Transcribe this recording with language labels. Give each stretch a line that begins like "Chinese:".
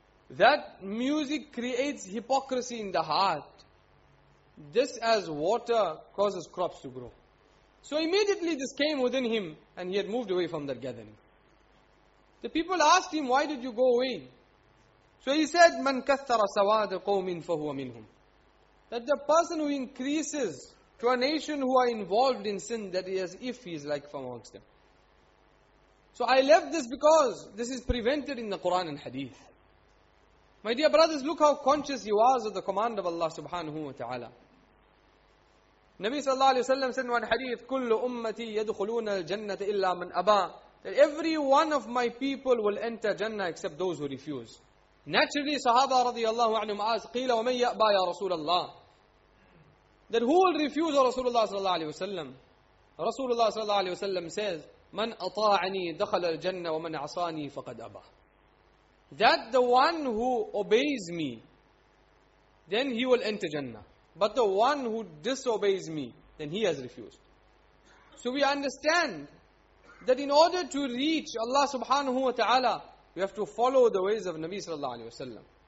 English: That music creates hypocrisy in the heart, just as water causes crops to grow. So immediately this came within him, and he had moved away from that gathering. The people asked him, why did you go away? So he said,
Arabic: مَنْ كَثَّرَ سَوَادَ قَوْمٍ فَهُوَ مِنْهُمْ.
English: That the person who increases to a nation who are involved in sin, that is, if he is like from amongst them. So I left this because this is prevented in the Quran and Hadith. My dear brothers, look how conscious he was of the command of Allah subhanahu wa ta'ala. Nabi sallallahu alayhi wa sallam said in one hadith,
Arabic: كُلُّ أُمَّتِي يَدْخُلُونَ الْجَنَّةِ إِلَّا مَنْ أَبَى.
English: That every one of my people will enter Jannah except those who refuse. Naturally, Sahaba radiallahu anhu asked,
Arabic: قِيلَ وَمَنْ يَأْبَى يَا رَسُولَ اللَّهِ.
English: That who will refuse Rasulullah sallallahu alayhi wa sallam? Rasulullah sallallahu alayhi wa sallam says,
Arabic: مَنْ أَطَاعَنِي دَخَلَ الْجَنَّةِ وَمَنْ عَصَانِي فَقَدْ أَبَى.
English: That the one who obeys me, then he will enter Jannah. But the one who disobeys me, then he has refused. So we understand that in order to reach Allah subhanahu wa ta'ala, we have to follow the ways of Nabi sallallahu alayhi wa sallam.